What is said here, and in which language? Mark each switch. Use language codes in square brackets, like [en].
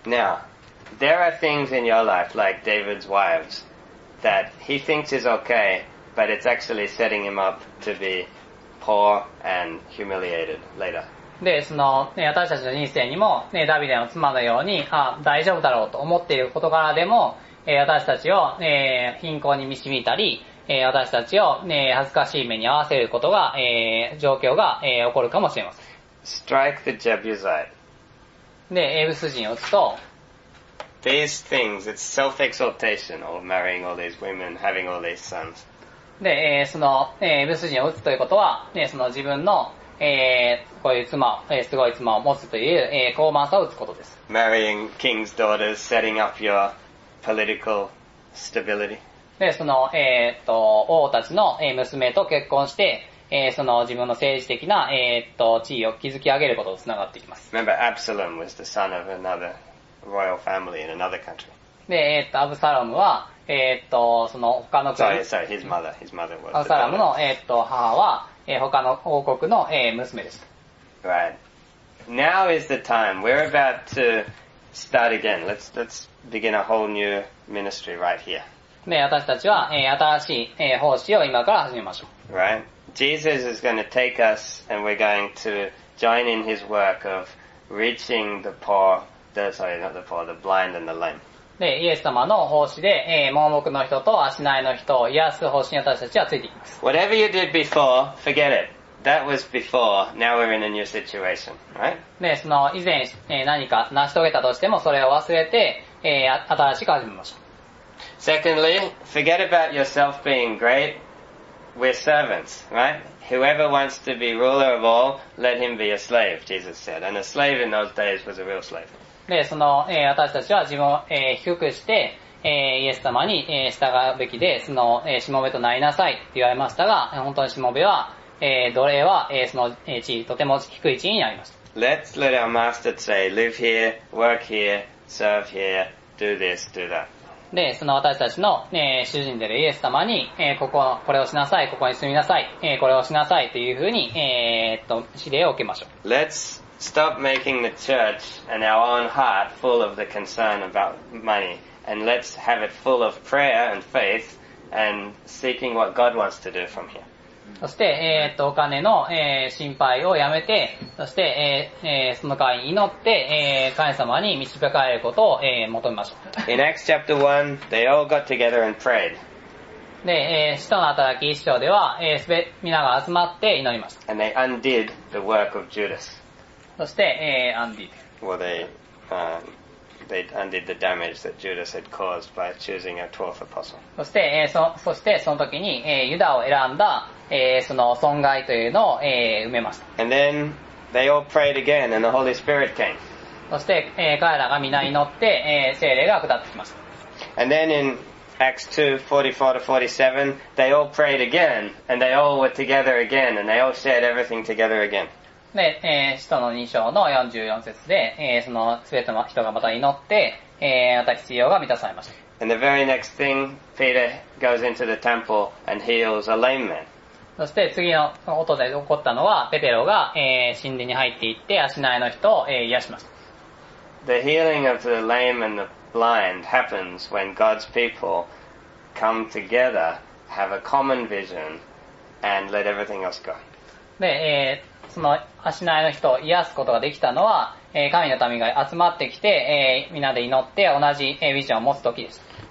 [en] Now, there are things in your life, like David's wives, that he thinks is okay, but it's actually setting him up to be. Poor and humiliated later. [ja] で、その、ね、私たちの人生にも、ね、ダビデの妻のように、あ、大丈夫だろうと思っている事柄でも、私たちを、貧困に導いたり、私たちを、ね、恥ずかしい目に遭わせることが、状況が、起こるかもしれません。 [en] Strike the Jebusite. [ja] で、エブス人を打つと、 [en] These things, it's self-exaltation of marrying all these women, having all these sons. [ja] で、その、エブス人を撃つということは、その自分の、こういう妻、すごい妻を持つという、傲慢さを撃つことです。 [en] Marrying king's daughters, setting up your political stability. [ja] で、その、王たちの娘と結婚して、その自分の政治的な、地位を築き上げることを繋がっていきます。 [en] Remember, Absalom was the son of another royal family in another country. [ja] で、アブサロムは、その他の国。 [en] Sorry, his mother, was. [ja] アブサラムの、母は、他の王国の、娘でした。 [en] Right. Now is the time. We're about to start again. Let's begin a whole new ministry right here. [ja] ね、私たちは、新しい、奉仕を今から始めましょう。 [en] Right. Jesus is going to take us and we're going to join in his work of reaching the poor, the blind and the lame. [ja] で、イエス様の奉仕で、盲目の人と足ないの人を癒す奉仕に私たちはついていきます。 [en] Whatever you did before, forget it. That was before. Now we're in a new situation, right? [ja] で、その以前、何か成し遂げたとしてもそれを忘れて、新しく始めましょう。 [en] Secondly, forget about yourself being great. We're servants, right? Whoever wants to be ruler of all, let him be a slave, Jesus said. And a slave in those days was a real slave. [ja] で、その、私たちは自分を、低くして、イエス様に、従うべきで、その、しもべとなりなさいって言われましたが、本当にしもべは、奴隷は、その、地位、とても低い地位になりました。 [en] Let's let our master say, live here, work here, serve here, do this, do that. [ja] で、その私たちの、主人であるイエス様に、これをしなさい、ここに住みなさい、これをしなさいというふうに、指令を受けましょう。 [en] Let's stop making the church and our own heart full of the concern about money and let's have it full of prayer and faith and seeking what God wants to do from here. [ja] そして、お金の、心配をやめて、そして、その代わりに祈って、神様に導かれることを、求めましょう。 [en] In Acts chapter 1, they all got together and prayed. [ja] で、使徒の働き一章では、皆が集まって祈りました。 [en] And they undid the work of Judas. [ja] そして、アンディ。 [en] Well, they undid the damage that Judas had caused by choosing a 12th apostle. [ja] そして、そしてその時に、ユダを選んだ、その損害というのを、埋めました。 [en] And then they all prayed again, and the Holy Spirit came. [ja] そして、彼らが皆祈って、聖霊が下ってきました [en] And then in Acts 2:44-47, they all prayed again, and they all were together again, and they all shared everything together again. [ja] で、使徒の2章の44節で、その全ての人がまた祈って、また必要が満たされました。 [en] And the very next thing, Peter goes into the temple and heals a lame man. [ja] そして次の音で起こったのは、ペテロが、神殿に入っていって、足苗の人を、癒しました。 [en] The healing of the lame and the blind happens when God's people come together, have a common vision, and let everything else go. [ja] で、その足苗の人を癒すことができたのは、神の民が集まってきて、みんなで祈って同じ、ビジョンを持つときです。